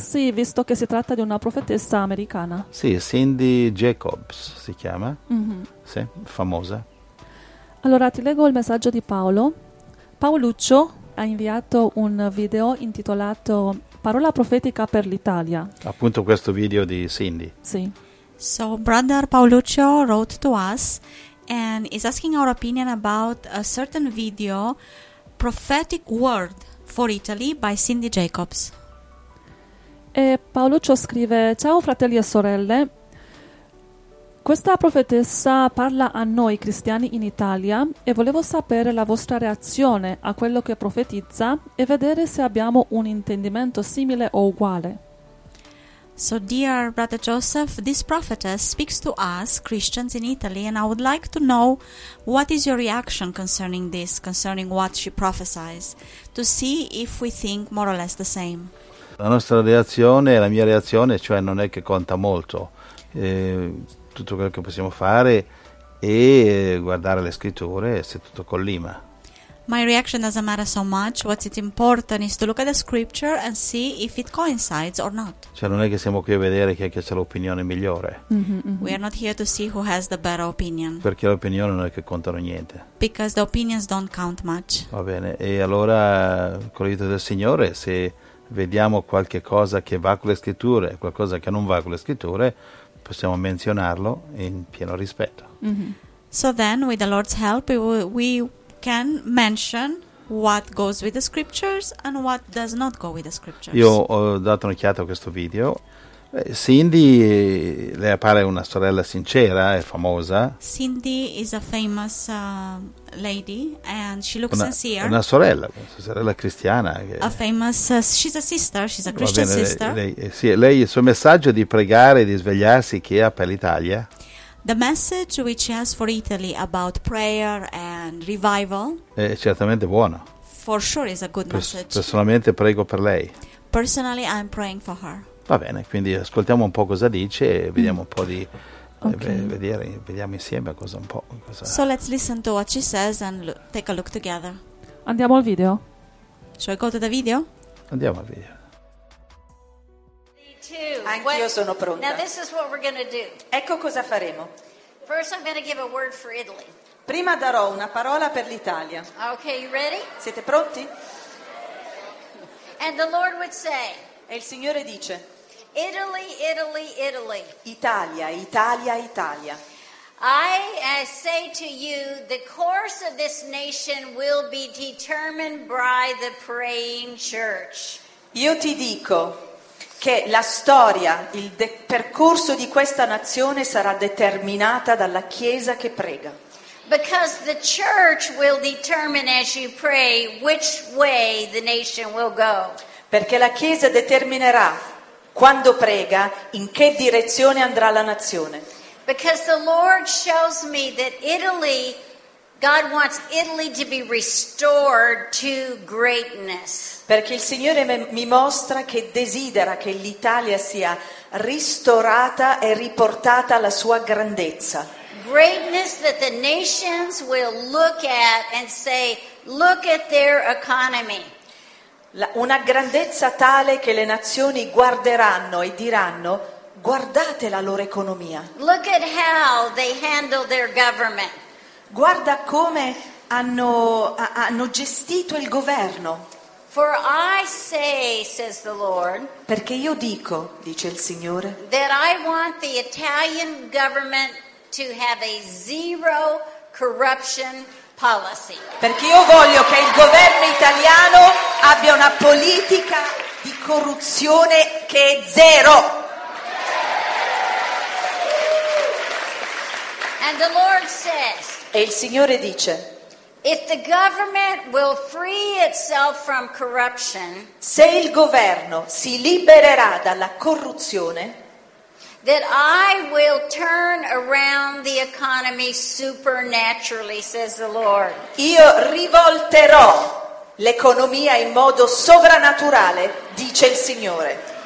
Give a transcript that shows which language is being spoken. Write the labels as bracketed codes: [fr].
[it] Sì, visto che si tratta di una profetessa americana. Sì, Cindy Jacobs si chiama, Sì, famosa. Allora, ti leggo il messaggio di Paolo. Paoluccio ha inviato un video intitolato Parola profetica per l'Italia. Appunto questo video di Cindy. Sì. [en] So, Brother Paoluccio wrote to us and is asking our opinion about a certain video, Prophetic Word for Italy by Cindy Jacobs. [it] E Paoluccio scrive: Ciao fratelli e sorelle, questa profetessa parla a noi cristiani in Italia e volevo sapere la vostra reazione a quello che profetizza e vedere se abbiamo un intendimento simile o uguale. [en] So dear brother Joseph, this prophetess speaks to us Christians in Italy and I would like to know what is your reaction concerning this, concerning what she prophesies, to see if we think more or less the same. [it] La nostra reazione, la mia reazione, cioè non è che conta molto, tutto quello che possiamo fare è guardare le scritture se tutto collima. [en] My reaction doesn't matter so much, what's important is to look at the scripture and see if it coincides or not. [it] Cioè non è che siamo qui a vedere chi è che ha l'opinione migliore. [en] We are not here to see who has the better opinion. [it] Perché l'opinione non è che contano niente. [en] Because the opinions don't count much. [it] Va bene, e allora con l'aiuto del Signore, se vediamo qualche cosa che va con le scritture e qualcosa che non va con le scritture, possiamo menzionarlo in pieno rispetto. [en] So then, with the Lord's help, we can mention what goes with the scriptures and what does not go with the scriptures. [it] Io ho dato un'occhiata a questo video. Cindy, le appare una sorella sincera e famosa. [en] Cindy is a famous lady and she looks sincere. [it] Una sorella cristiana. [en] A famous, she's a sister, she's a Christian sister. [it] Lei, il suo messaggio di pregare e di svegliarsi che ha per l'Italia. [en] The message which she has for Italy about prayer and revival. [it] È certamente buona. [en] For sure is a good message. [it] Personalmente prego per lei. [en] Personally I'm praying for her. [it] Va bene, quindi ascoltiamo un po' cosa dice e vediamo un po' di vediamo insieme cosa un po' cosa. [en] So let's listen to what she says and take a look together. [it] Andiamo al video. [en] Shall we go to the video? [it] Andiamo al video. Anch'io sono pronta. [en] Now this is what we're gonna do. [it] Ecco cosa faremo. [en] First I'm gonna give a word for Italy. [it] Prima darò una parola per l'Italia. [en] Okay, you ready? [it] Siete pronti? [en] And the Lord would say. [it] E il Signore dice: [en] Italy, Italy, Italy. [it] Italia, Italia, Italia. [en] I say to you, the course of this nation will be determined by the praying church. [it] Io ti dico che la storia, il percorso di questa nazione sarà determinata dalla Chiesa che prega. [en] Because the church will determine as you pray which way the nation will go. [it] Perché la Chiesa determinerà quando prega in che direzione andrà la nazione. [en] Because the Lord shows me that Italy, God wants Italy to be restored to greatness. [it] Perché il Signore mi mostra che desidera che l'Italia sia ristorata e riportata alla sua grandezza. [en] Greatness that the nations will look at and say, look at their economy. [it] Una grandezza tale che le nazioni guarderanno e diranno: guardate la loro economia. [en] Look at how they handle their government. [it] Guarda come hanno gestito il governo. [en] For I say, says the Lord, [it] perché io dico, dice il Signore, [en] that I want the Italian government to have a zero corruption policy. [it] Perché io voglio che il governo italiano abbia una politica di corruzione che è zero. [en] And the Lord says, [it] e il Signore dice: [en] if the government will free itself from corruption, [it] se il governo si libererà dalla corruzione, [en] that I will turn around the economy supernaturally, says the Lord. [it] Io rivolterò l'economia in modo sovrannaturale, dice il Signore.